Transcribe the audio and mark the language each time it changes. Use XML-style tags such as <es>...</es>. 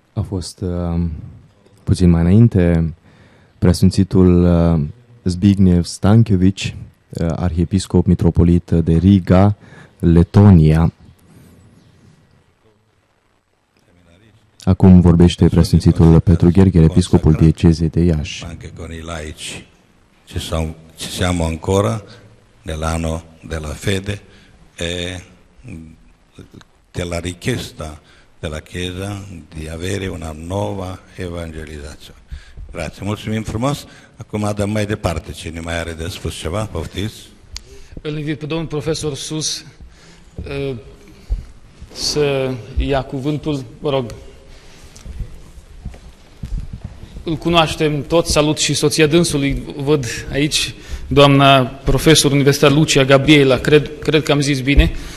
<ro>A fost puțin mai înainte preasfințitul Zbigniew Stankiewicz, arhiepiscop mitropolit de Riga, Letonia. Acum vorbește preasfințitul Petru Gherghel, episcopul diecezei de Iași.</ro> <it>Anche con i laici ci siamo ancora nell'anno della fede e della richiesta della Chiesa di avere una nuova evangelizzazione. Grazie,</it> <ro>mulțumim frumos. Acum dăm mai departe, cine mai are de spus ceva, poftiți. Îl invit pe domnul profesor Sus să ia cuvântul, mă rog. Îl cunoaștem toți, salut și soția dânsului, văd aici doamna profesor Universitatea Lucia Gabriela, cred că am zis bine.</ro>